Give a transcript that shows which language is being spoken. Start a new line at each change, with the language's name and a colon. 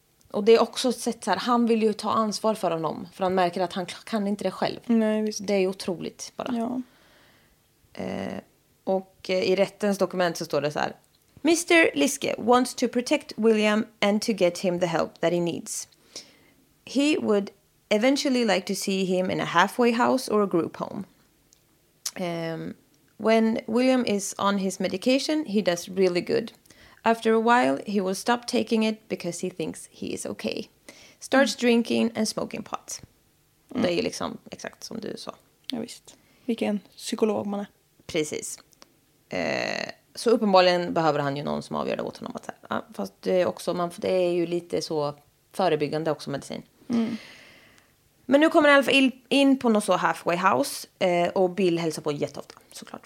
Swedish: Och det är också ett sätt så här, han vill ju ta ansvar för honom, för han märker att han kan inte det själv. Nej, visst. Det är otroligt bara. Ja. Och i rättens dokument så står det så här: Mr.
English: Liske wants to protect William and to get him the help that he needs. He would eventually like to see him in a halfway house or a group home. When William is on his medication, he does really good. After a while, he will stop taking it because he thinks he is okay. Starts drinking and smoking pot. Mm.
Swedish: Det är liksom exakt som du sa. Ja, visst. Vilken psykolog man är. Precis. Så uppenbarligen behöver han ju någon som avgör det åt honom. Att, ja, fast det är, också, man, det är ju lite så förebyggande också medicin. Mm. Men nu kommer han in på något så halfway house. Och Bill hälsar på jätteofta, såklart.